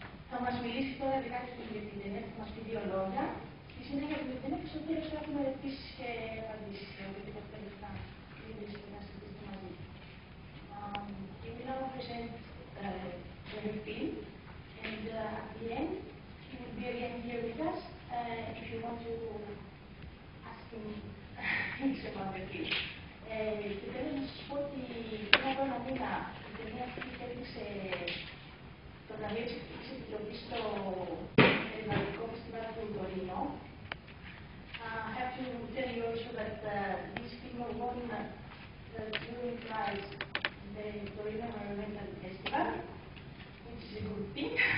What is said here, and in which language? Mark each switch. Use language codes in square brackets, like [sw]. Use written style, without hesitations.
[el] Θα μας μιλήσει τώρα για κάτι για την ταινία που μας πει δύο λόγια. Στη συνέχεια του ταινία και στο τέλος θα έχουμε ερωτήσεις και απαντήσεις για οτιδήποτε θέλετε να μιλήσετε να συζητήσετε μαζί. [en] He will now present the new film. And at the end, he will be again here with us if you want to ask him things about the film. [el] Και θέλω να σας πω ότι πριν από ένα μήνα η ταινία αυτή κέρδισε το βραβείο της κριτικής επιτροπής στο περιβαλλοντικό φεστιβάλ του Τωρίνο. [en] I have to tell you also that this film won the Touring Prize the Torino Environmental Festival, which is a good thing.